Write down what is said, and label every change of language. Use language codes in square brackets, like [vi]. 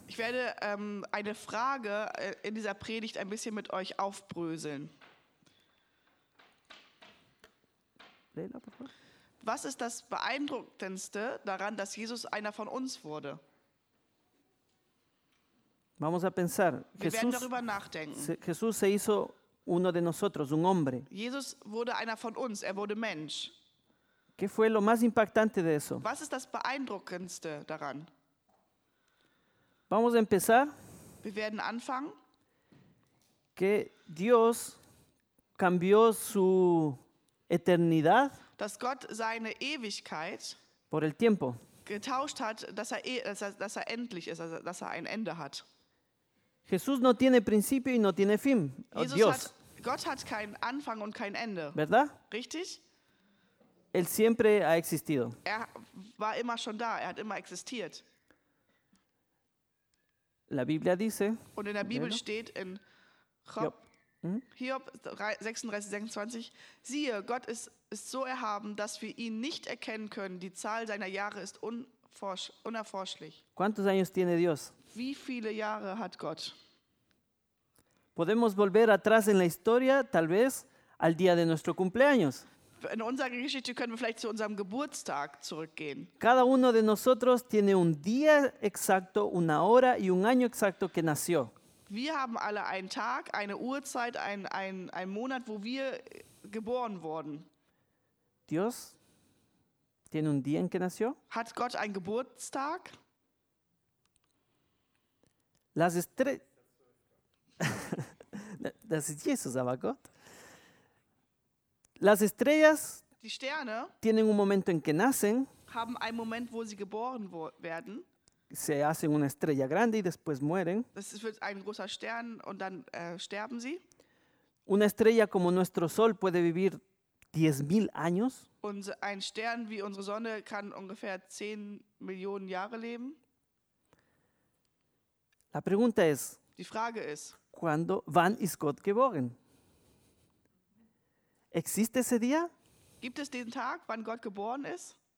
[de] Ich werde eine Frage in dieser Predigt ein bisschen mit euch aufbröseln. [es] Leila, por favor. [de] Was ist das Beeindruckendste daran, dass Jesus einer von uns wurde? [es] Vamos a pensar. [de] Wir Jesús, werden darüber nachdenken. [es] Jesús se hizo uno de nosotros, un hombre. [de] Jesus wurde einer von uns, er wurde Mensch. [es] ¿Qué fue lo más impactante de eso? [de] Was ist das Beeindruckendste daran? [es] Vamos a empezar. [de] Wir werden anfangen. [es] Que Dios cambió su eternidad. [de] Dass Gott seine Ewigkeit. [es] Por el tiempo. [de] Getauscht hat, dass er endlich ist, dass er ein Ende hat. [es] Jesús no tiene principio y no tiene fin. [de] Jesus [es] Dios. [de] Gott hat keinen Anfang und kein Ende. [es] ¿Verdad? [de] Richtig? [es] Él siempre ha existido. [de] Er war immer schon da, er hat immer existiert. [es] La Biblia dice, [de] und in der Bibel steht in Hiob 36, 26, siehe, Gott ist so erhaben, dass wir ihn nicht erkennen können. Die Zahl seiner Jahre ist unerforschlich. [es] ¿Cuántos años tiene Dios? [de] Wie viele Jahre hat Gott? [es] Podemos volver atrás en la historia, tal vez, al día de nuestro cumpleaños. [de] In unserer Geschichte können wir vielleicht zu unserem Geburtstag zurückgehen. [es] Cada uno de nosotros tiene un día exacto, una hora y un año exacto que nació. [de] Wir haben alle einen Tag, eine Uhrzeit, ein Monat, wo wir geboren wurden. [es] Dios tiene un día en que nació? [de] Hat Gott einen Geburtstag? Lass es tre- das ist Jesus, aber Gott. [es] Las estrellas, [de] die Sterne, [es] tienen un momento en que nacen, [de] haben einen Moment, wo sie geboren werden. [es] Se hacen una estrella grande y después mueren. [de] Das wird ein großer Stern und dann sterben sie. [es] Una estrella como nuestro sol puede vivir 10.000 años. [de] Und ein Stern wie unsere Sonne kann ungefähr 10 Millionen Jahre leben. [es] La pregunta es, [de] die Frage ist, [es] ¿cuándo, [de] wann ist Gott geboren? [es] Existe ese día? [de] Gibt es den Tag, wann Gott geboren ist?